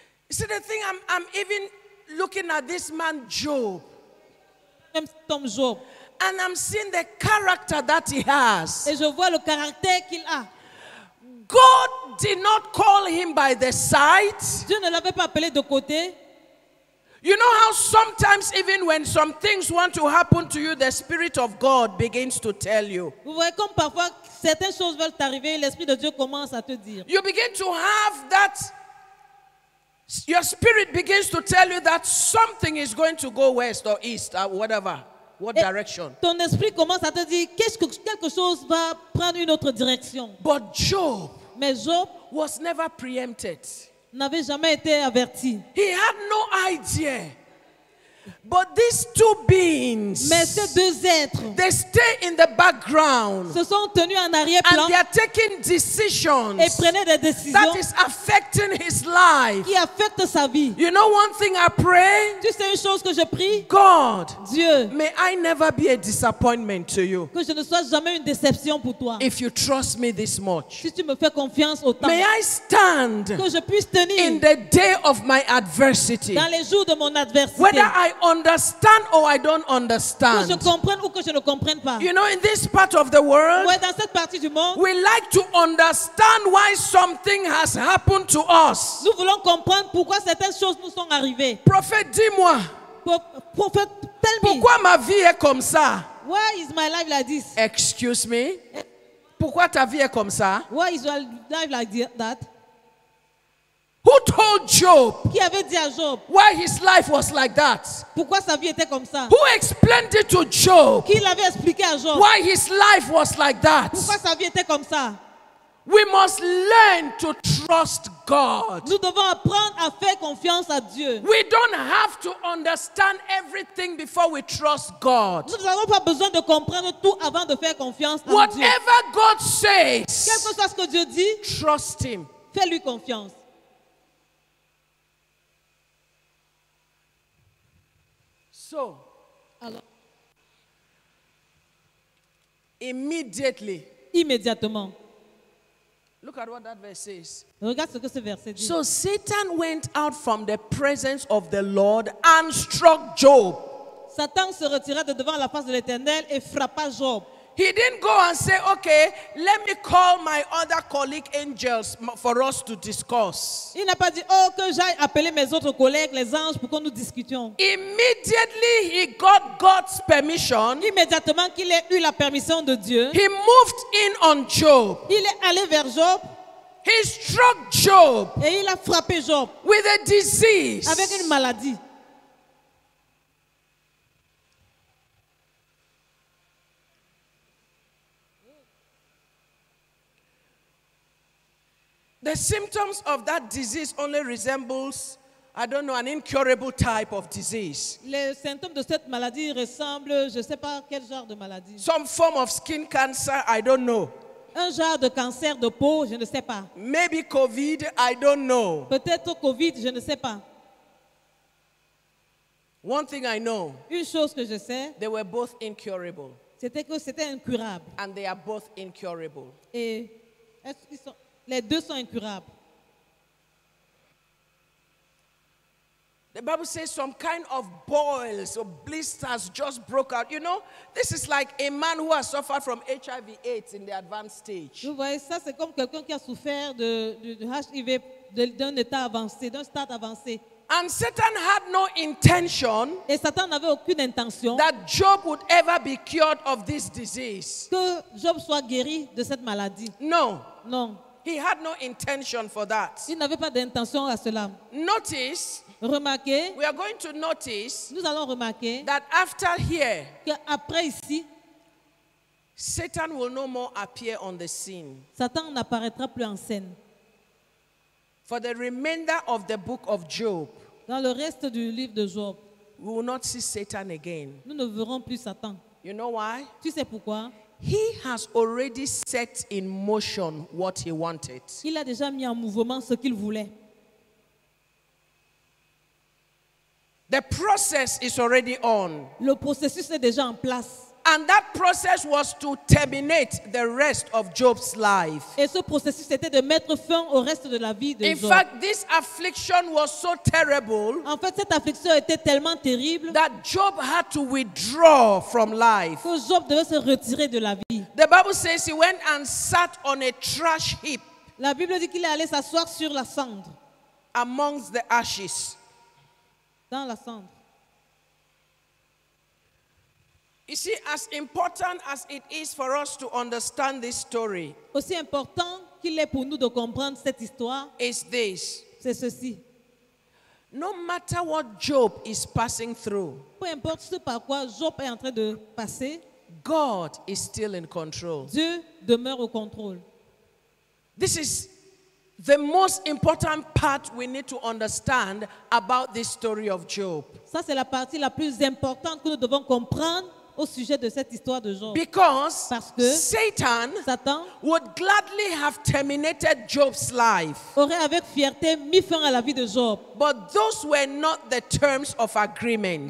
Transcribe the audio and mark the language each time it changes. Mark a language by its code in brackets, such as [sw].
[en] See the thing, I'm even looking at this man Job. [fr] Même cet homme Job. [en] And I'm seeing the character that he has. [fr] Et je vois le caractère qu'il a. [en] God did not call him by the side. [fr] Dieu ne l'avait pas appelé de côté. [en] You know how sometimes even when some things want to happen to you, the Spirit of God begins to tell you. [fr] Vous voyez comme parfois certaines choses veulent t'arriver, l'Esprit de Dieu commence à te dire. [en] You begin to have that, your spirit begins to tell you that something is going to go west or east or whatever, what direction. [fr] Ton esprit commence à te dire quelque chose va prendre une autre direction. [en] But Job, [fr] mais Job [en] was never preempted. [fr] N'avait jamais été averti. [en] He had no idea. But these two beings, [fr] mais ces deux êtres, [en] they stay in the background, [fr] se sont tenus en arrière-plan, [en] and they are taking decisions, [fr] et prenaient des décisions, [en] that is affecting his life, [fr] qui affecte sa vie. [en] You know one thing I pray? [fr] Tu sais une chose que je prie? [en] God, [fr] Dieu, [en] may I never be a disappointment to you. [fr] Que je ne sois jamais une déception pour toi. [en] If you trust me this much, [fr] si tu me fais confiance autant, [en] may I stand, [fr] que je puisse tenir, [en] in the day of my adversity, [fr] dans les jours de mon adversité, [en] whether I understand or I don't understand. [fr] Que je comprenne ou que je ne comprenne pas. [en] You know, in this part of the world, [fr] ouais, dans cette partie du monde, [en] we like to understand why something has happened to us. [fr] Nous voulons comprendre pourquoi certaines choses nous sont arrivées. Prophète, dis-moi. [en] Prophète, tell me. [fr] Pourquoi ma vie est comme ça? [en] Why is my life like this? Excuse me. [fr] Pourquoi ta vie est comme ça? [en] Why is your life like that? Who told Job? [fr] Qui avait dit à Job? [en] Why his life was like that? [fr] Pourquoi sa vie était comme ça? [en] Who explained it to Job? [fr] Qui l'avait expliqué à Job? [en] Why his life was like that? [fr] Pourquoi sa vie était comme ça? [en] We must learn to trust God. [fr] Nous devons apprendre à faire confiance à Dieu. [en] We don't have to understand everything before we trust God. [fr] Nous n'avons pas besoin de comprendre tout avant de faire confiance à [en] Whatever [fr] Dieu. [en] Whatever God says, [fr] quel que soit ce que Dieu dit, [en] trust him. [fr] Fais-lui confiance. [en] So, immediately, [fr] immédiatement, [en] look at what that verse says. [fr] Regarde ce que ce verset dit. [en] So Satan went out from the presence of the Lord and struck Job. [fr] Satan se retira de devant la face de l'Éternel et frappa Job. [en] He didn't go and say, okay, let me call my other colleague angels for us to discuss. [fr] Il n'a pas dit, oh, que j'aille appeler mes autres collègues, les anges, pour que nous discutions. [en] Immediately he got God's permission. [fr] Immédiatement qu'il ait eu la permission de Dieu. [en] He moved in on Job. [fr] Il est allé vers Job. [en] He struck Job. [fr] Et il a frappé Job. [en] With a disease. [fr] Avec une maladie. [en] The symptoms of that disease only resembles, I don't know, an incurable type of disease. [fr] Les symptômes de cette maladie ressemblent, je sais pas quel genre de maladie. [en] Some form of skin cancer, I don't know. [fr] Un genre de cancer de peau, je ne sais pas. [en] Maybe COVID, I don't know. [fr] Peut-être COVID, je ne sais pas. [en] One thing I know. [fr] Une chose que je sais. [en] They were both incurable. [fr] C'était que c'était incurable. [en] And they are both incurable. [fr] Et est-ce qu'ils sont les deux sont incurables. [en] The Bible says some kind of boils or blisters just broke out. You know, this is like a man who has suffered from HIV/AIDS in the advanced stage. [fr] Vous voyez, ça c'est comme quelqu'un qui a souffert de HIV d'un état avancé, d'un stade avancé. [en] And Satan had no intention, [fr] et Satan n'avait aucune intention, [en] that Job would ever be cured of this disease. [fr] Que Job soit guéri de cette maladie. Non. Non. [en] He had no intention for that. [fr] Il n'avait pas d'intention à cela. [en] Notice. [fr] Remarquez. [en] We are going to notice. [fr] Nous allons remarquer. [en] That after here. [fr] Que après ici. [en] Satan will no more appear on the scene. [fr] Satan n'apparaîtra plus en scène. [en] For the remainder of the book of Job. [fr] Dans le reste du livre de Job. [en] We will not see Satan again. [fr] Nous ne verrons plus Satan. [en] You know why? [fr] Tu sais pourquoi? [en] He has already set in motion what he wanted. [fr] Il a déjà mis en mouvement ce qu'il voulait. [en] The process is already on. [fr] Le processus est déjà en place. [en] And that process was to terminate the rest of Job's life. [fr] Et ce processus était de mettre fin au reste de la vie de Job. [en] In fact, this affliction was so terrible. [fr] En fait, cette affliction était tellement terrible [en] that Job had to withdraw from life. [fr] Que Job devait se retirer de la vie. [en] The Bible says he went and sat on a trash heap. [fr] La Bible dit qu'il est allé s'asseoir sur la cendre. [en] Amongst the ashes. [fr] Dans la cendre. [en] You see, as important as it is for us to understand this story, [fr] aussi important qu'il est pour nous de comprendre cette histoire, [en] is this. [fr] C'est ceci. [en] No matter what Job is passing through, [fr] peu importe ce par quoi Job est en train de passer, [en] God is still in control. [fr] Dieu demeure au contrôle. [en] This is The most important part we need to understand about this story of Job. [fr] Ça c'est la partie la plus importante que nous devons comprendre au sujet de cette histoire de Job. [en] Because [fr] parce que [en] Satan would gladly have terminated Job's life. [fr] Aurait avec fierté mis fin à la vie de Job. [en] But those were not the terms of agreement.